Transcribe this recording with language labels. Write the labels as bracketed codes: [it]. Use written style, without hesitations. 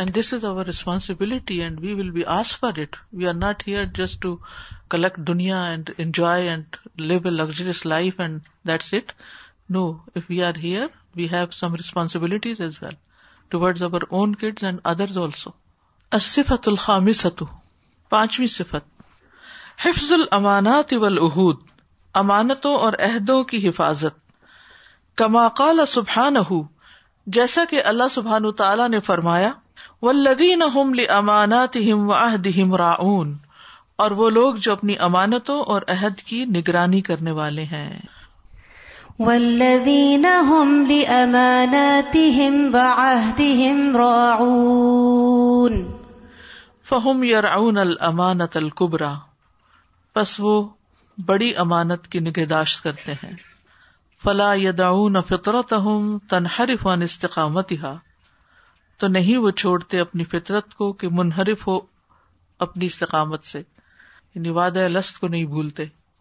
[en] And this is our responsibility, and we will be asked for it. We are not here just to collect dunya and enjoy and live a luxurious life and that's it. No, if we are here, we have some responsibilities as well towards our own kids and others also. [ar] الصفت الخامسة, [ur] پانچویں صفت, [ar] حفظ الامانات والعہود, [ur] امانتوں اور عہدوں کی حفاظت. [ar] کما قال سبحانہ, [ur] جیسا کہ اللہ سبحانہ تعالی نے فرمایا, [ar] والذین هم لاماناتهم وعہدهم راعون, [ur] اور وہ لوگ جو اپنی امانتوں اور عہد کی نگرانی کرنے والے ہیں. [ar] والذین هم لاماناتهم وعہدهم راعون فهم يرعون الامانۃ الکبرى, [ur] پس وہ بڑی امانت کی نگہداشت کرتے ہیں. [ar] فلا يدعون فطرتهم تنحرف عن استقامتها, [ur] تو نہیں وہ چھوڑتے اپنی فطرت کو کہ منحرف ہو اپنی استقامت سے, یعنی وعدہ لست کو نہیں بھولتے.